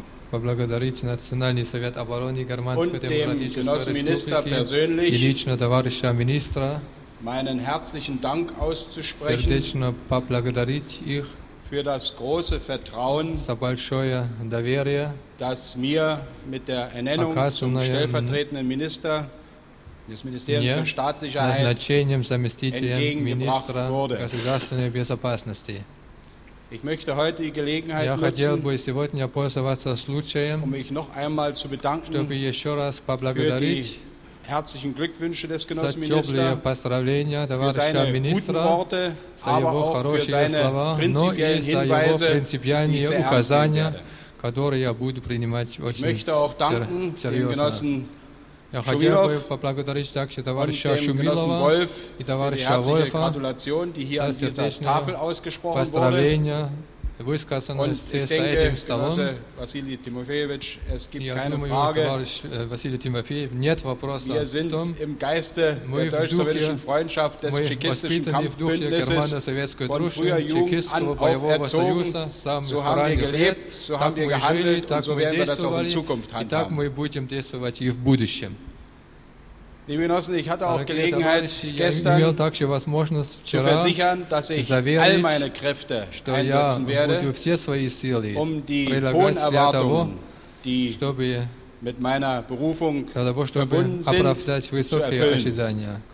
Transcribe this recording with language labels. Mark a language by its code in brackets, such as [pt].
[ru] поблагодарить Национальный совет обороны Германской Демократической сердечно поблагодарить их [de] für das große Vertrauen, [ru] за большое доверие, [de] das mir mit der Ernennung zum stellvertretenden Minister des Ministeriums für Staatssicherheit [ru] назначением заместителя министра государственной безопасности. [de] Ich möchte heute die Gelegenheit nutzen, um mich noch einmal zu bedanken für die herzlichen Glückwünsche des Genossenministers, für seine guten Worte, aber auch für seine prinzipiellen Hinweise, die ich sehr ernst nehmen werde. Ich möchte auch danken dem Genossen [ru] Я хотел бы поблагодарить также товарища Шумилова и товарища Вольфа за сердечное поздравление, высказанное с этим столом. Я думаю, товарищ Василий Тимофеев, нет вопроса в том, мы в духе воспитаны в духе германо-советской дружбы, чекистского боевого союза, самых ранних лет, так мы жили, так мы действовали, и так мы будем действовать и в будущем. [de] Liebe Genossen, ich hatte auch Gelegenheit, gestern zu versichern, dass ich all meine Kräfte einsetzen werde, um die hohen Erwartungen, die mit meiner Berufung verbunden sind, zu erfüllen.